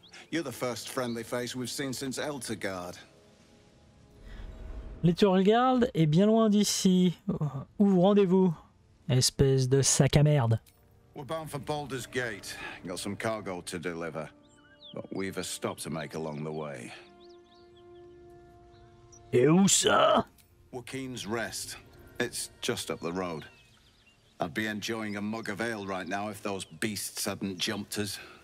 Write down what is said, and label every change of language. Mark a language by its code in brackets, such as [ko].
[en] You're the first friendly face we've seen since Eltergard. [fr] Little Guard est bien loin d'ici. Où vous rendez-vous, espèce de sac à merde? [en] We're bound for Baldur's Gate. Got some cargo to deliver. But we've a stop to make along the way. [fr] Et où ça? [en] Joaquin's Rest. It's just up the road. I'd be enjoying a mug of ale right now if those beasts hadn't jumped us.